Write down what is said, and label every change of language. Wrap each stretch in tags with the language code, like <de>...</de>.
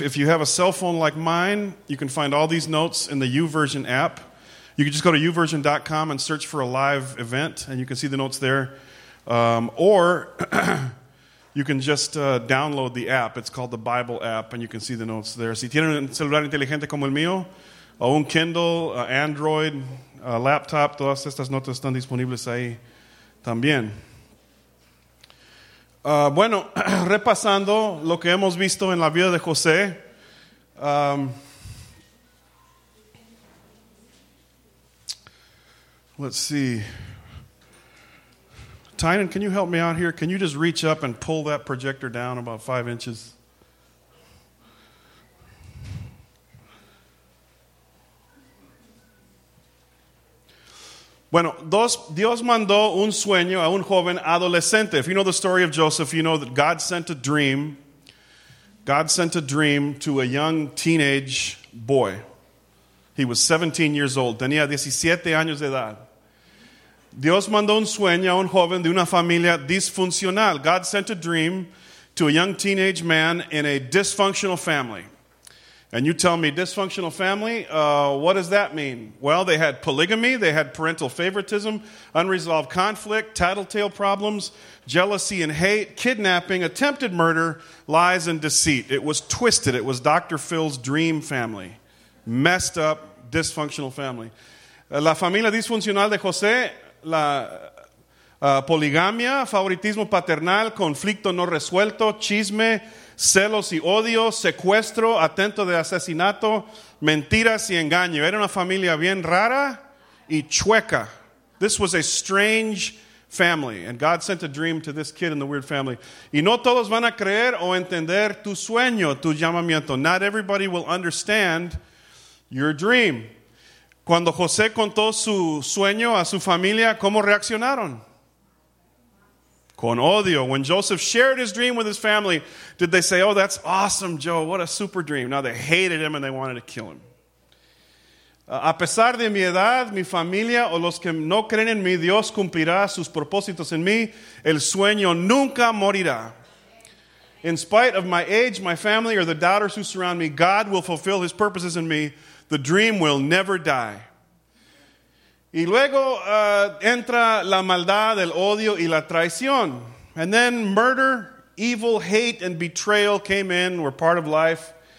<en>If you have a cell phone like mine, you can find all these notes in the YouVersion app. You can just go to YouVersion.com and search for a live event, and you can see the notes there. Or you can just download the app. It's called the Bible app, and you can see the notes there.</en> <es>Si tienen un celular inteligente como el mío, o un Kindle, Android, laptop, todas estas notas están disponibles ahí también. Bueno, repasando lo que hemos visto en la vida de José.</es> <en>Let's see. Tynan, can you help me out here? Can you just reach up and pull that projector down about 5 inches?</en> <es>Bueno, Dios mandó un sueño a un joven adolescente.</es> <en>If you know the story of Joseph, you know that God sent a dream. God sent a dream to a young teenage boy. He was 17 years old.</en> <es>Tenía 17 años de edad. Dios mandó un sueño a un joven de una familia disfuncional.</es> <en>God sent a dream to a young teenage man in a dysfunctional family. And you tell me, dysfunctional family, what does that mean? Well, they had polygamy, they had parental favoritism, unresolved conflict, tattletale problems, jealousy and hate, kidnapping, attempted murder, lies and deceit. It was twisted. It was Dr. Phil's dream family. Messed up, dysfunctional family.</en> <es>La familia disfuncional de José. La poligamia, favoritismo paternal, conflicto no resuelto, chisme, celos y odio, secuestro, atento de asesinato, mentiras y engaño. Era una familia bien rara y chueca.</es> <en>This was a strange family. And God sent a dream to this kid in the weird family.</en> <es>Y no todos van a creer o entender tu sueño, tu llamamiento.</es> <en>Not everybody will understand your dream.</en> <es>Cuando José contó su sueño a su familia, ¿cómo reaccionaron? Con odio.</es> <en>When Joseph shared his dream with his family, did they say, oh, that's awesome, Joe, what a super dream. No, they hated him and they wanted to kill him.</en> <es>A pesar de mi edad, mi familia o los que no creen en mí, Dios cumplirá sus propósitos en mí. El sueño nunca morirá.</es> <en>In spite of my age, my family, or the doubters who surround me, God will fulfill his purposes in me. The dream will never die.</en> <es>Y luego entra la maldad, el odio y la traición.</es> <en>And then murder, evil, hate, and betrayal came in, were part of life.</en>